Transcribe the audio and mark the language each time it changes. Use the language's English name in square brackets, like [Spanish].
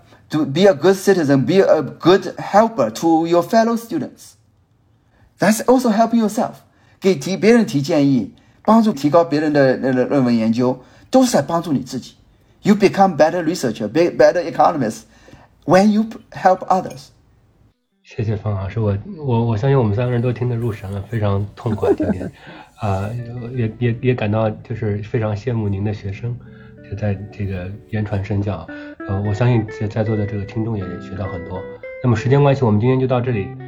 [English] To be a good citizen, be a good helper to your fellow students. That's also helping yourself. [Chinese] 给别人提建议，帮助提高别人的论文研究，都是在帮助你自己。 [English] You become better researcher, better economist when you help others. [Chinese] 谢谢方老师，我相信我们三个人都听得入神了，非常痛快今天。也感到就是非常羡慕您的学生，在这个言传身教。我相信在座的这个听众也学到很多。那么时间关系，我们今天就到这里。